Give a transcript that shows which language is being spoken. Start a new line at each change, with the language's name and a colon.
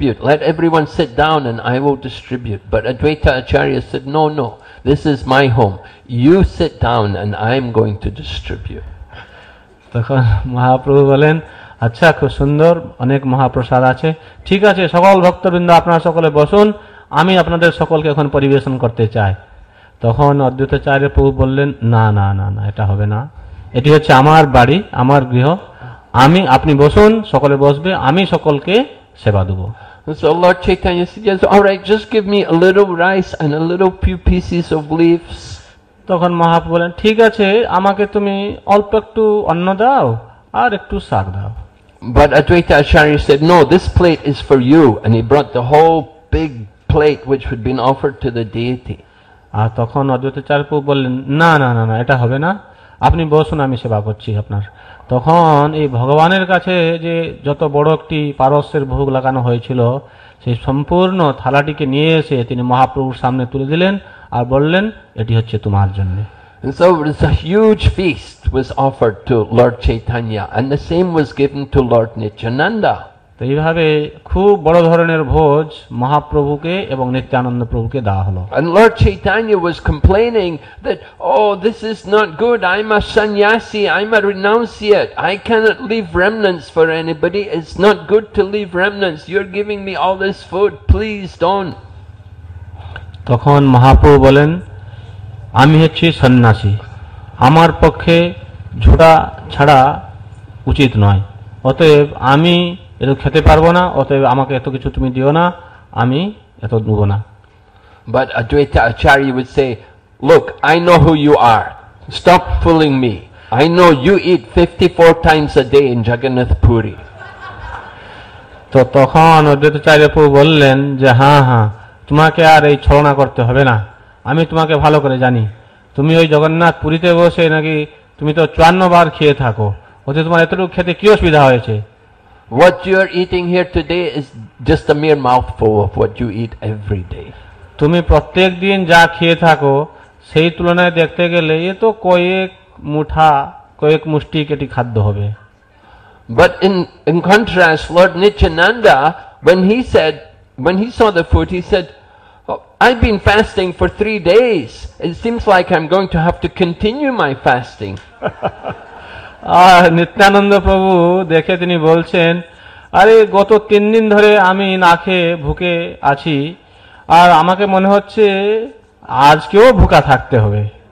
English: Let everyone sit down and I will distribute." But Advaita Acharya said, no, "This is my home. You sit down and I am going to distribute."
Bangla: তখন মহাপ্রভু বলেন, আচ্ছা খুব সুন্দর, অনেক মহাপ্রসাদ আছে, ঠিক আছে সকল ভক্তবৃন্দ আপনারা সকলে বসুন, আমি আপনাদের সকলকে এখন পরিবেশন করতে চাই. তখন অদ্বৈত আচার্য প্রভু বললেন, না, এটা হবে না, এটি হচ্ছে আমার বাড়ি, আমার গৃহ, আমি আপনি বসুন, সকলে বসবে, আমি সকলকে সেবা দেব.
English: So Lord Chaitanya said, "Yes, all right, just give me a little rice and a little few pieces of leaves."
Bangla: তখন মহাপ্রভু বলেন, ঠিক আছে আমাকে তুমি অল্প একটু অন্ন দাও আর একটু শাক দাও.
English: But Advaita Acharya said, "No, this plate is for you," and he brought the whole big plate which had been offered to the deity.
Bangla: আর তখন অদ্বৈত আচার্য প্রভু বললেন, না, এটা হবে না, আপনি বসুন, আমি সেবা করছি আপনার. তখন এই ভগবানের কাছে যে যত বড় একটি পারস্যের ভোগ লাগানো হয়েছিল সেই সম্পূর্ণ থালাটিকে নিয়ে এসে তিনি মহাপ্রভুর সামনে তুলে দিলেন আর বললেন, এটি হচ্ছে তোমার জন্য.
English: So it was a huge feast was offered to Lord Chaitanya and the same was given to Lord Nityananda.
Bangla: এইভাবে খুব বড় ধরনের ভোজ মহাপ্রভুকে এবং নিত্যানন্দ প্রভুকে দেওয়া হলো.
English: And Lord Chaitanya was complaining that, "Oh, this is not good. I'm a sannyasi. I'm a renunciate. I cannot leave remnants for anybody. It's not good to leave remnants. You're giving me all this food. Please don't."
Bangla: তখন মহাপ্রভু বলেন, আমি হচ্ছি সন্ন্যাসী, আমার পক্ষে ঝোড়া ছাড়া উচিত নয়, অতএব আমি এত খেতে পারবো না, অতএব আমাকে এত কিছু তুমি দিও না, আমি এত দেব না.
English: But Advaita Acharya would say, "Look, I know who you are. Stop fooling me. I know you eat 54 times a day in Jagannath Puri."
Bangla: তো তখন অদ্বৈত আচার্য প্রভু বললেন যে, হ্যাঁ, তোমাকে আর এই ছলনা করতে হবে না, আমি তোমাকে ভালো করে জানি, তুমি ওই জগন্নাথ পুরীতে বসে নাকি তুমি তো 54 বার খেয়ে থাকো, ওতে তোমার এতটুকু খেতে কি অসুবিধা হয়েছে?
English: What you are eating here today is just a mere mouthful of what you eat every day.
Bangla: তুমি প্রত্যেক দিন যা খেয়ে থাকো সেই তুলনায় দেখতে গেলে এ তো কয়েক মুঠা কয়েক মুষ্টি কেটি খাদ্য হবে.
English: But in contrast, Lord Nityananda, when he saw the food, he said, "I've been fasting for 3 days. It seems like I'm going to have to continue my fasting."
Bangla: আর নিত্যানন্দ প্রভু দেখে তিনি বলছেন, আরে গত 3 দিন ধরে আমি না খেয়ে ভুকে আছি আর আমাকে মনে হচ্ছে আজকেও ভুকা থাকতে হবে.